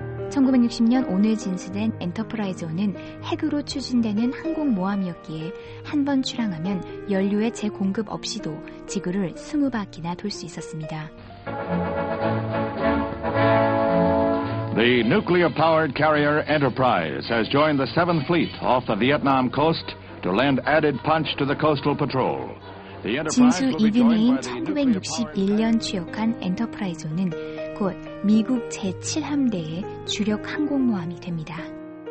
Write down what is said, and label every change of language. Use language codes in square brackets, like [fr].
[ko] 1960년 오늘 진수된 엔터프라이즈호는 핵으로 추진되는 항공모함이었기에 한 번 출항하면 연료의 재공급 없이도 지구를 20바퀴나 돌 수 있었습니다. [en] The nuclear-powered carrier Enterprise has joined the 7th Fleet off the Vietnam coast to lend added punch to the coastal patrol. [ko] 진수 이듬해인 1961년 취역한 엔터프라이즈호는 곧 미국 제7함대의 주력 항공모함이 됩니다.